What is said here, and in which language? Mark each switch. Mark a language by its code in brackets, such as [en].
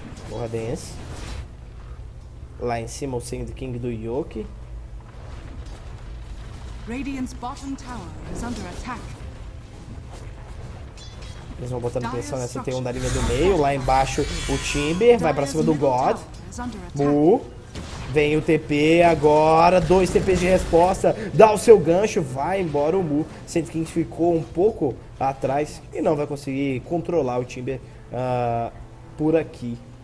[pt] Aloha Dance. Lá em cima, o Sand King do Yoki. [en] Radiant's bottom tower is under attack. [pt] Eles vão botando pressão nessa T1 da linha do meio. Lá embaixo o Timber vai pra cima do God. Bu. Vem o TP agora. Dois TPs de resposta. Dá o seu gancho. Vai embora o Bu. Sendo que a gente ficou um pouco atrás e não vai conseguir controlar o Timber por aqui.